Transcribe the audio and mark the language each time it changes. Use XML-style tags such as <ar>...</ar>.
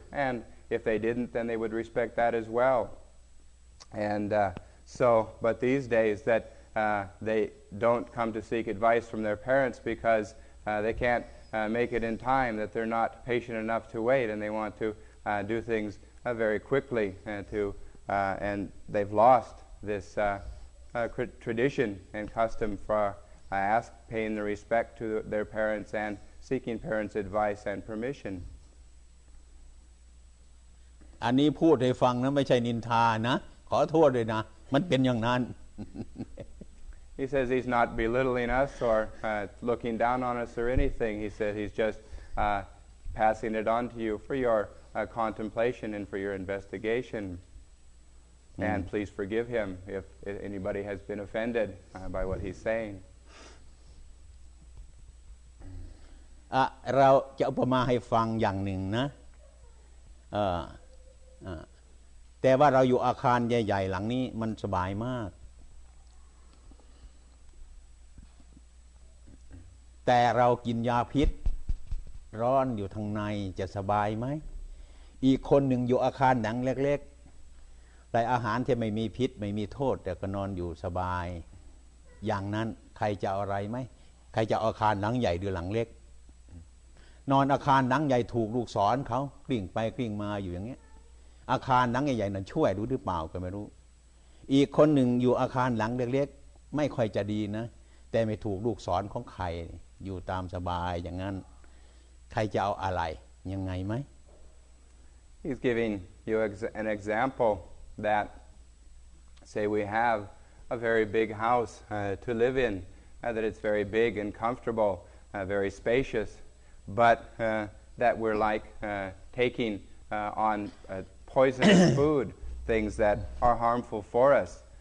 <en>And if they didn't, then they would respect that as well. And but these days that they don't come to seek advice from their parents because they can't make it in time, that they're not patient enough to wait, and they want to do things very quickly. And they've lost this tradition and custom for paying the respect to their parents and seeking parents' advice and permission.</en> <th>อันนี้พูดให้ฟังนะไม่ใช่นินทานะขอโทษด้วยนะมันเป็นอย่างนั้น He says he's not belittling us or looking down on us or anything. He said he's just passing it on to you for your contemplation and for your investigation. And please forgive him if anybody has been offended by what he's saying. เราจะอุปมาให้ฟังอย่างหนึ่งนะแต่ว่าเราอยู่อาคารใหญ่ๆหลังนี้มันสบายมากแต่เรากินยาพิษร้อนอยู่ทางในจะสบายไหมอีกคนหนึ่งอยู่อาคารหนังเล็กๆได้อาหารที่ไม่มีพิษไม่มีโทษแต่ก็นอนอยู่สบายอย่างนั้นใครจะอะไรไหมใครจะอาคารหลังใหญ่หรือหลังเล็ก นอนอาคารหนังใหญ่ถูกลูกศรเขากลิ้งไปกลิ้งมาอยู่อย่างนี้อาคารหลังใหญ่ๆนั้นช่วยรู้หรือเปล่าก็ไม่รู้อีกคนหนึ่งอยู่อาคารหลังเล็กๆไม่ค่อยจะดีนะแต่ไม่ถูกลูกศรของใครอยู่ตามสบายอย่างนั้นใครจะเอาอะไรยังไงไหม</th> <en>He's giving you an example that say we have a very big house to live in that it's very big and comfortable very spacious but that we're like taking on poisonous food, things that are harmful for us.</en>